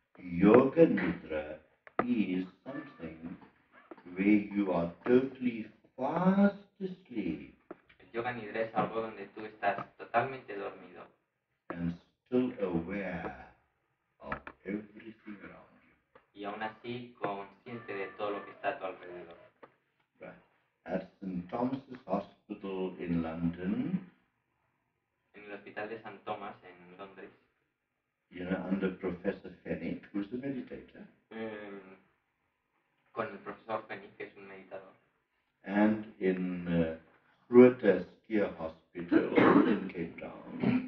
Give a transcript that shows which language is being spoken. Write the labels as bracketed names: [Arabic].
[English] Yoga Nidra is something where you are totally fast asleep. [Spanish] El Yoga Nidra es algo donde tú estás totalmente dormido. [English] And still aware of everything around you. [Spanish] Y aún así consciente de todo lo que está a tu alrededor. [English] Right. At St. Thomas' Hospital in London, [Spanish] hospital de San Thomas en Londres. [English] You know, under Professor Fenwick, who's the meditator? [Spanish] Con el profesor Fenwick, que es un meditador. [English] And in Ruyter-Skier Hospital in Cape Town.